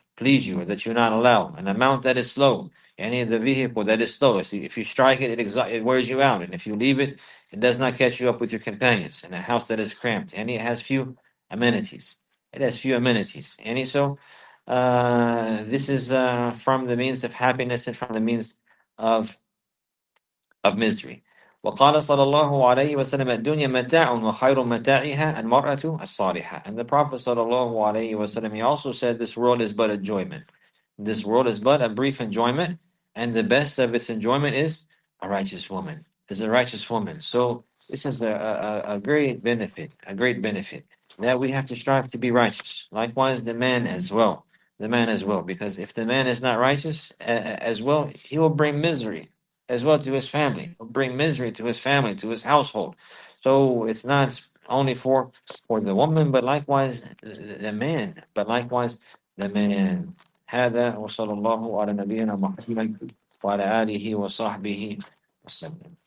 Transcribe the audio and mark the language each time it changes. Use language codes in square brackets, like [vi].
[en] please you, or that you not allow, and the mount that is slow, any of the vehicle that is slow, if you strike it, it wears you out, and if you leave it, it does not catch you up with your companions, and a house that is cramped, any has few amenities, it has few amenities, any so, this is from the means of happiness and from the means of misery. [ar] وقال صلى الله عليه وسلم الدنيا متاع وخير متاعها المرأة الصالحة. [en] And the Prophet [ar] صلى الله عليه وسلم, [en] he also said, this world is but enjoyment. This world is but a brief enjoyment, and the best of its enjoyment is a righteous woman. Is a righteous woman. So this is a great benefit, a great benefit that we have to strive to be righteous. Likewise, the man as well, the man as well. Because if the man is not righteous as well, he will bring misery as well to his family, bring misery to his family, to his household. So it's not only for the woman, but likewise the man. But likewise the man. [ar] هذا وصلى الله على نبينا محمد وعلى آله وصحبه وسلم.